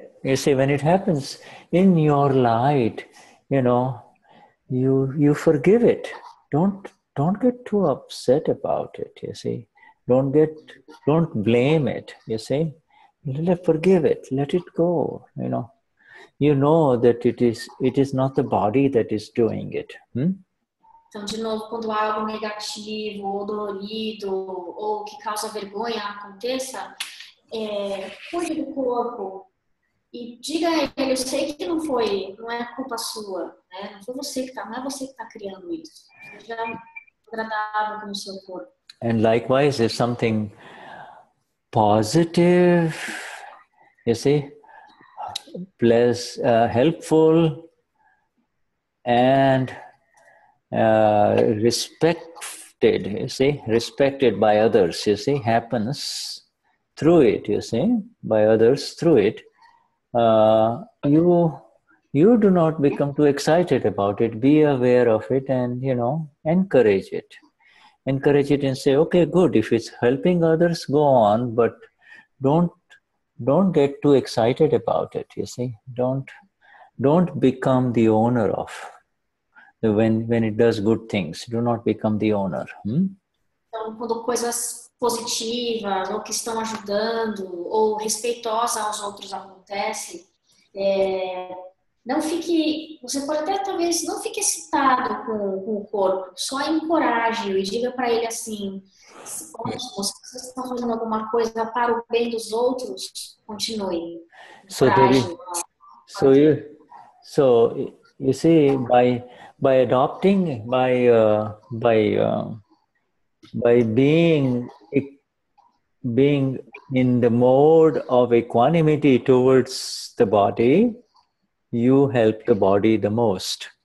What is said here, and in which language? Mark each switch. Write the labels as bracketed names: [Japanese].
[English] You see, when it happens in your light, you know, you forgive it. Don't get too upset about it, you see. Don't blame it, you see. Forgive it, let it go, you know. You know that it is not the body that is doing it. [Portuguese] Então, de novo, quando algo negativo ou dolorido ou que causa vergonha aconteça, cuide do corpo e diga a ele, eu sei que não é culpa sua, né? Não foi você que não é você que está criando isso. Seja agradável com o seu corpo. [English] And likewise, if something positive, you see, bless, helpful and respected, you see, respected by others, you see, happens through it, you see, by others through it, you do not become too excited about it. Be aware of it and, you know, encourage it. Encourage it and say, okay, good, if it's helping others, go on, but don't get too excited about it, you see. Don't become the owner of when it does good things. Do not become the owner. [Portuguese] Então, quando coisas positivas ou que estão ajudando ou respeitosas aos outros acontecem, Não fique, você pode até talvez não fique excitado com o corpo, só encoraje-o e diga para ele assim: se vocês estão fazendo alguma coisa para o bem dos outros, continue. [English] So, David, so you see, by adopting, by being in the mode of equanimity towards the body, you help the body the most.